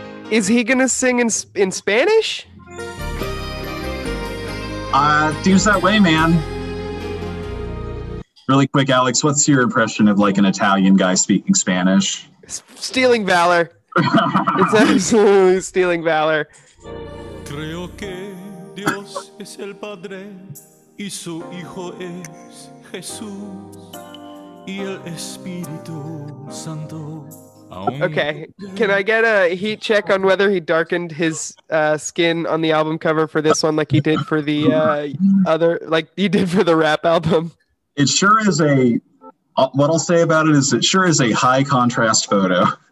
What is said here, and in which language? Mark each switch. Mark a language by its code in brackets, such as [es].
[en] Is he going to sing in Spanish? Deuce that way, man. Really quick, Alex, what's your impression of like an Italian guy speaking Spanish? Stealing valor. It's absolutely stealing valor. [es] Creo que Dios es el padre y su hijo es Jesús y el Espíritu Santo. [en] Okay, can I get a heat check on whether he darkened his skin on the album cover for this one like he did for the other, like he did for the rap album? It sure is a, what I'll say about it is it sure is a high contrast photo.